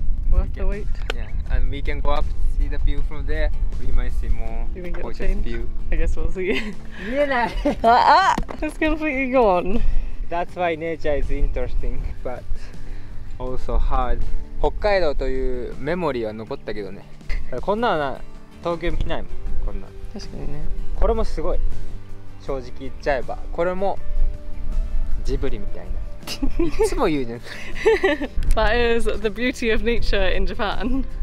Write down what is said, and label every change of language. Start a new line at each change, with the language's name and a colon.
English: Worth the wait. Yeah, and we can go up, see the view from there. We might see more gorgeous view. I guess we'll see. It's completely gone. That's why nature is interesting, but also hard.
Japanese: Hokkaido という memory は残ったけどね。こんなのは東京見ないもん。こんな。確かにね。これもすごい。正直言っちゃえば、これもジブリみたいな。いつも言うじゃん。
English: That is the beauty of nature in Japan.